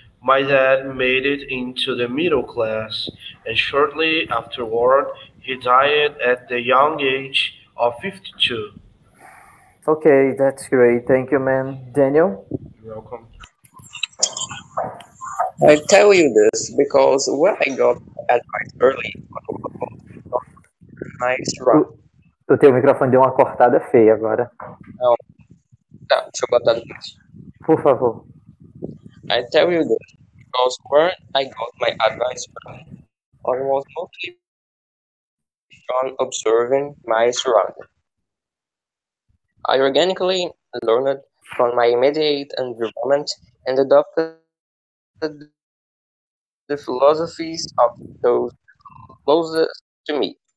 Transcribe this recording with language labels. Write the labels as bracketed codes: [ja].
[en] My dad made it into the middle class, and shortly afterward, he died at the young age of 52. Okay, that's great. Thank you, man. Daniel? You're welcome. I tell you this because when I got advice early, nice run. [pt] O teu microfone deu uma cortada feia agora. Não. Tá, deixa eu botar depois. Por favor. [en] I tell you this because when I got my advice early, I was mostly from observing my surroundings. I organically learned from my immediate environment and adopted the philosophies of those closest to me.